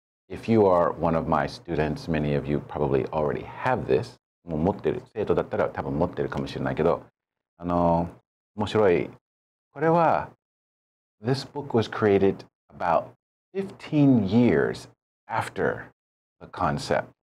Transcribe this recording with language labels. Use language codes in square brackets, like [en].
[en] If you are one of my students, many of you probably already have this. [ja] もう持ってる、生徒だったら多分持ってるかもしれないけど、面白い。これは、 [en] This book was created about 15 years after the concept.